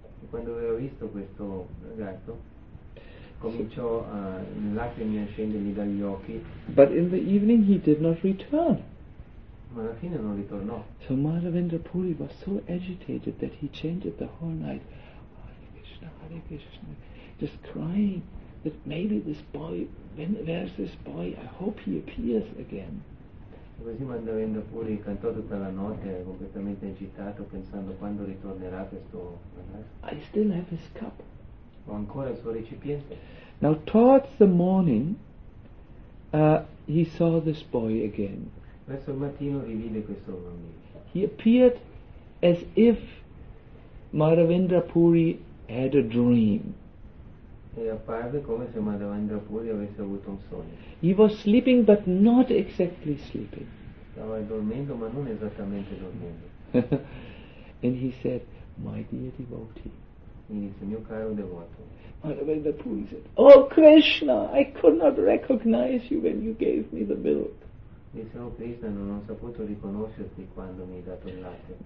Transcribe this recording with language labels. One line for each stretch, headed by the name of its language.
Italian: E quando aveva visto questo ragazzo, cominciò le lacrime a scendergli dagli occhi.
English: But in the evening he did not return.
Italian: ma alla fine non ritornò.
English: So Madhavendra Puri was so agitated that he chanted the whole night, Hare Krishna, Hare Krishna, just crying that maybe this boy, when, where's this boy? I hope he appears again.
Italian: Così Madhavendra Puri cantò tutta la notte completamente agitato, pensando quando ritornerà questo ragazzo.
English: I still have his cup.
Italian: Ho ancora il suo recipiente.
English: Now towards the morning, he saw this boy again.
Italian: Verso il mattino rivide questo bambino.
English: He appeared as if Madhavendra Puri had a dream.
Italian: E apparve come se Madhavendra Puri avesse avuto un sogno.
English: He was sleeping, but not exactly sleeping.
Italian: Stava dormendo, ma non esattamente dormendo.
English: And he said, "My dear devotee."
Italian: Dice, mio caro devoto.
English: Madhavendra Puri said, "Oh Krishna, I could not recognize you when you gave me the milk."
Italian: Dice, oh Krishna, non ho saputo riconoscerti quando mi hai dato il latte.